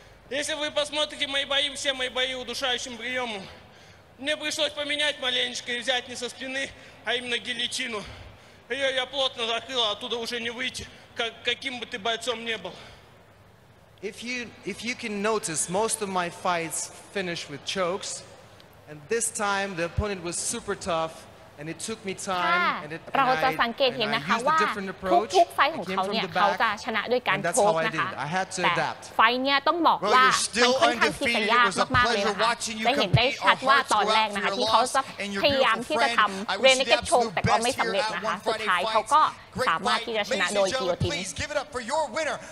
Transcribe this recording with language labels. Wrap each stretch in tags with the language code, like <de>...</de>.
<ru>Если вы посмотрите мои бои, все мои бои удушающим приемом, мне пришлось поменять маленечко и взять не со спины, а именно гильотину. Ее я плотно закрыл, оттуда уже не выйти, каким бы ты бойцом ни был.</ru> <en>If you can notice, most of my fights finish with chokes, and this time the opponent was super toughtough. And it took me time and</en> <th>it เราจะสังเกตเห็นนะคะว่าทุกไฟของเขาเนี่ยเขาจะชนะด้วยการโชคนะคะแต่ไฟเนี่ยต้องบอกว่ามันค่อนข้างที่จะยากมากๆเลยค่ะจะเห็นได้ชัดว่าตอนแรกนะคะที่เขาจะพยายามที่จะทำเรเนเกตโชคแต่ก็ไม่สำเร็จนะคะสุดท้ายเขาก็สามารถที่จะชนะโดยกิโยตินเป็น</th>